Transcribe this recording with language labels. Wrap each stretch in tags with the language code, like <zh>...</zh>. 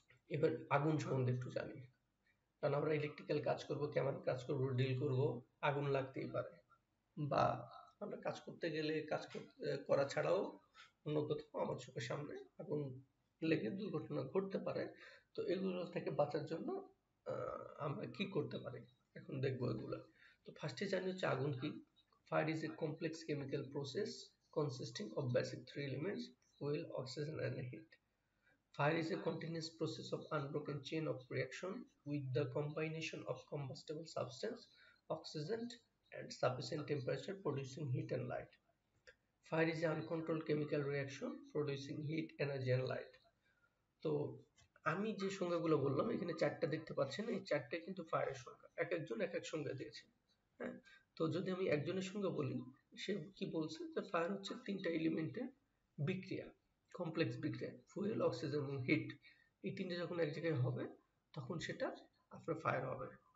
<bn>এবার আগুন সম্বন্ধে একটু জানি, কারণ আমরা ইলেকট্রিক্যাল কাজ করবো, কেমন কাজ করবো, ডিল করবো, আগুন লাগতেই পারে, বা আমরা কাজ করতে গেলে কাজ করা ছাড়াও অন্য কোথাও আমার চোখের সামনে আগুন লেগে দুর্ঘটনা ঘটতে পারে। তো এগুলো থেকে বাঁচার জন্য আমরা কি করতে পারি এখন দেখবো এগুলো। তো ফার্স্টে জানি হচ্ছে আগুন কি।</bn> <en>Fire is a complex chemical process consisting of basic three elements, fuel, oxygen and heat. Fire is a continuous process of unbroken chain of reaction with the combination of combustible substance, oxygen and sufficient temperature producing heat and light. Fire is an uncontrolled chemical reaction producing heat, energy and light. So,</en> <bn>আমি যে সংখ্যাগুলো বললাম এখানে চারটা দেখতে পাচ্ছেন, এই চারটা কিন্তু ফায়ারের সংখ্যা, এক একজন এক এক সংখ্যা দিয়েছে। হ্যাঁ, তো যদি আমি একজনের সঙ্গে বলি, সে কি বলছে যে ফায়ার হচ্ছে তিনটা এলিমেন্টের বিক্রিয়া, কমপ্লেক্স বিক্রিয়া, ফুয়েল, অক্সিজেন এবং হিট, এই তিনটা যখন এক জায়গায় হবে তখন সেটা আপনার ফায়ার হবে।</bn>